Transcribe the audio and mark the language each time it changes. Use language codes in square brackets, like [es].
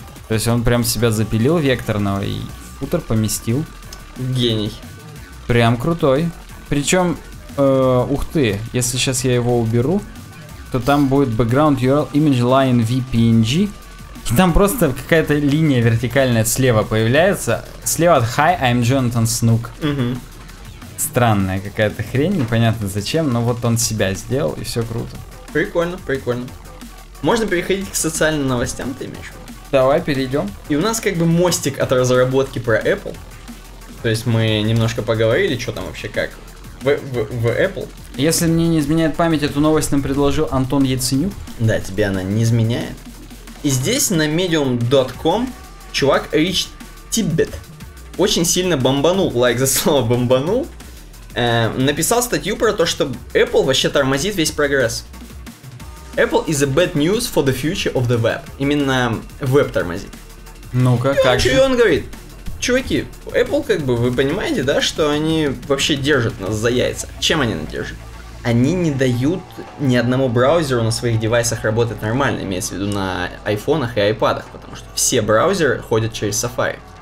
[ru] То есть он прям себя запилил векторного и футер поместил. Гений. Прям крутой. Причем, ух ты, если сейчас я его уберу, то там будет background URL image line vpng. И там просто какая-то линия вертикальная слева появляется. Слева от [en] hi, I'm Jonathan Snook. [ru] Странная какая-то хрень, непонятно зачем, но вот он себя сделал, и все круто. Прикольно, прикольно. Можно переходить к социальным новостям, ты имеешь? Давай, перейдем. И у нас как бы мостик от разработки про Apple. То есть мы немножко поговорили, что там вообще как в Apple. Если мне не изменяет память, эту новость нам предложил Антон Яценюк. Да, тебе она не изменяет. И здесь на medium.com чувак Рич Тиббет. очень сильно бомбанул, лайк за слово бомбанул, написал статью про то, что Apple вообще тормозит весь прогресс. [en] Apple is a bad news for the future of the web. [ru] Именно веб тормозит. Ну-ка, и как он, же? И он говорит, чуваки, Apple, как бы, вы понимаете, да, что они вообще держат нас за яйца. Чем они нас держат? Они не дают ни одному браузеру на своих девайсах работать нормально, имеется в виду на айфонах и айпадах, потому что все браузеры ходят через Safari.